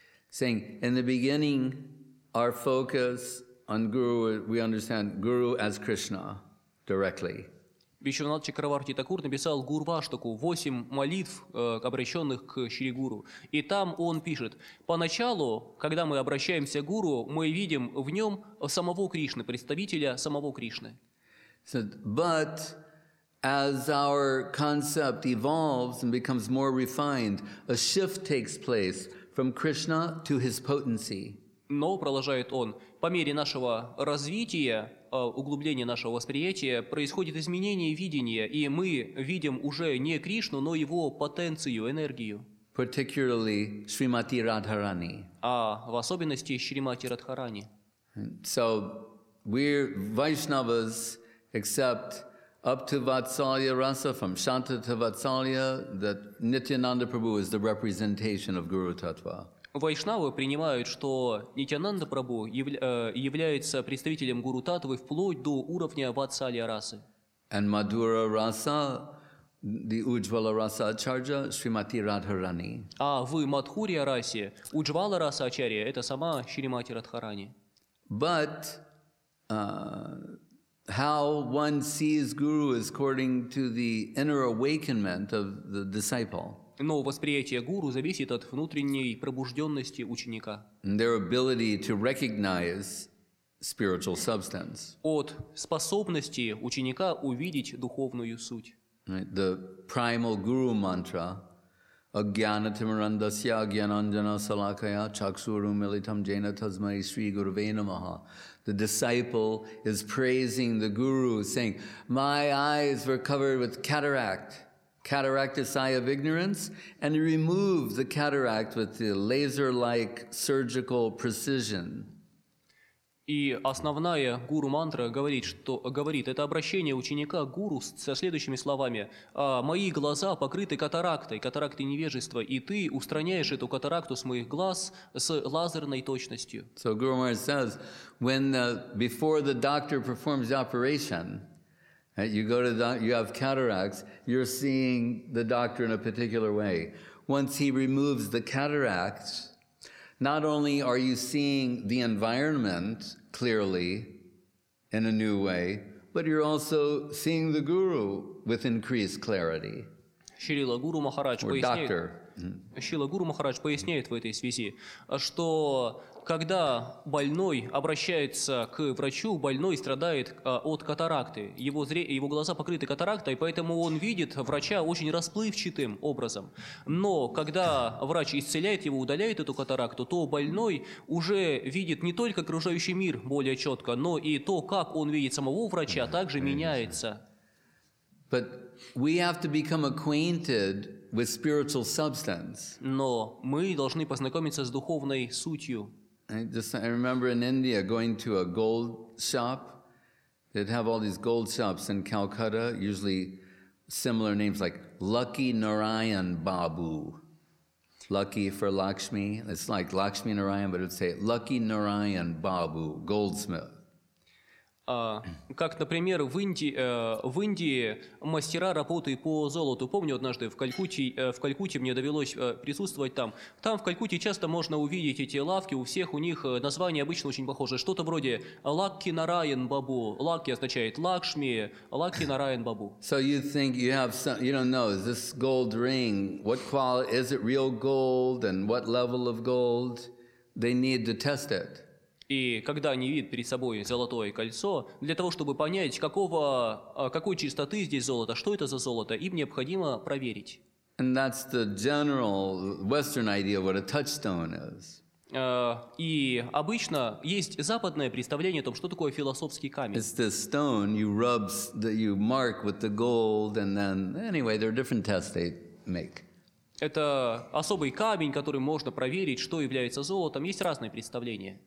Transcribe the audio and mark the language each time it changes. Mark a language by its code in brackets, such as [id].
[en] Saying, in the beginning, our focus on Guru, we understand Guru as Krishna, directly. [ru] Вишванатх Чакраварти Такур написал Гурваштаку, 8 молитв, обращенных к Шри Гуру. И там он пишет, поначалу, когда мы обращаемся к Гуру, мы видим в нем самого Кришны, представителя самого Кришны. [en] Said, but as our concept evolves and becomes more refined, a shift takes place. From Krishna to his potency. [ru] Но, продолжает он, по мере нашего развития, углубления нашего восприятия, происходит изменение видения, и мы видим уже не Кришну, но его потенцию, энергию. [en] Particularly Shrimati Radharani. [ru] А в особенности Шримати Радхарани. [en] So, we're Vaishnavas, except up to Vatsalya Rasa, from Shanta to Vatsalya, that Nityananda Prabhu is the representation of Guru Tattva. [ru] Вайшнавы принимают, что Нитянанда Прабху является представителем Гуру Таттвы вплоть до уровня Ватсалья Расы. [en] And Madhura Rasa, the Ujjvala Rasa Acharya, Shrimati Radharani. [ru] А в Мадхурья Расе Ujjvala Rasa Acharya — это сама Шримати Радхарани. [en] But how one sees Guru is according to the inner awakenment of the disciple. [ru] Но восприятие Гуру зависит от внутренней пробужденности ученика. [en] Their ability to recognize spiritual substance. [ru] От способности ученика увидеть духовную суть. [en] The primal Guru mantra, [sa] Agyanatimarandasya Agyananjana Salakaya Chakshurum Militam Jena Tasmai Sri Gurave Namaha. [en] The disciple is praising the Guru, saying, my eyes were covered with cataract is eye of ignorance, and remove the cataract with the laser-like surgical precision. [ru] И основная гуру мантра говорит, это обращение ученика к гуру со следующими словами: «Мои глаза покрыты катарактой, катарактой невежества, и ты устраняешь эту катаракту с моих глаз с лазерной точностью». [en] So Guru Maharaj says, when before the doctor performs the operation, you go to you have cataracts, you're seeing the doctor in a particular way. Once he removes the cataracts, not only are you seeing the environment clearly in a new way, but you're also seeing the guru with increased clarity. [ru] Шрила Гуру Махарадж поясняет. Шрила Гуру Махарадж поясняет в этой связи, что когда больной обращается к врачу, больной страдает от катаракты. Его глаза покрыты катарактой, поэтому он видит врача очень расплывчатым образом. Но когда врач исцеляет его, удаляет эту катаракту, то больной уже видит не только окружающий мир более четко, но и то, как он видит самого врача, также меняется. [en] But we have to become acquainted with spiritual substance. [ru] Но мы должны познакомиться с духовной сутью. [en] I remember in India going to a gold shop. They'd have all these gold shops in Calcutta, usually similar names like Lucky Narayan Babu. Lucky for Lakshmi. It's like Lakshmi Narayan, but it would say Lucky Narayan Babu, goldsmith. [ru] Как, например, в Индии мастера работы по золоту. Помню, однажды в Калькутте мне довелось присутствовать там. Там в Калькутте часто можно увидеть эти лавки. У всех у них названия обычно очень похожи. Что-то вроде Лакки Нараян Бабу. Лакки означает Лакшми. Лакки Нараян Бабу. [en] So you think you have some, you don't know, is this gold ring? What quality, is it real gold and what level of gold? They need to test it. [ru] И когда они видят перед собой золотое кольцо, для того, чтобы понять, какой чистоты здесь золото, что это за золото, им необходимо проверить. [en] And that's the general Western idea of what a touchstone is. [ru] И обычно есть западное представление о том, что такое философский камень. [en] It's the stone you rub, that you mark with the gold, and then, anyway, there are different tests they make. [ru] Это особый камень, которым можно проверить, что является золотом. Есть разные представления.